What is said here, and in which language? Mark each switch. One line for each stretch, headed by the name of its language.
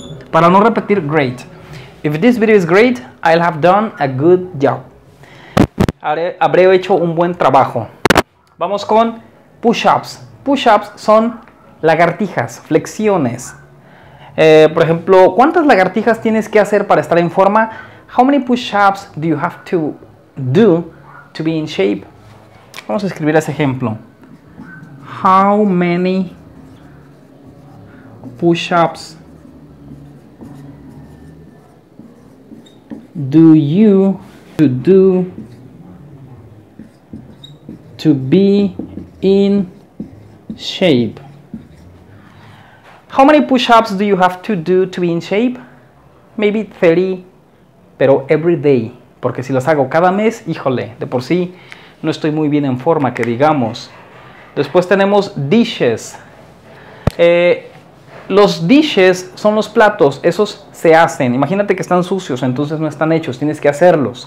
Spanish: Para no repetir
English: great. If this video is great, I'll have done a good job.
Spanish: Habré hecho un buen trabajo. Vamos con push-ups. Push-ups son lagartijas, flexiones. Por ejemplo, ¿cuántas lagartijas tienes que hacer para estar en forma?
English: How many push-ups do you have to do to be in shape?
Spanish: Vamos a escribir ese ejemplo.
English: How many push-ups do you to do to be in shape? How many push-ups do you have to do to be in shape? Maybe 30, pero every day.
Spanish: Porque si las hago cada mes, híjole, de por sí no estoy muy bien en forma, que digamos. Después tenemos dishes. Los dishes son los platos, esos se hacen. Imagínate que están sucios, entonces no están hechos, tienes que hacerlos.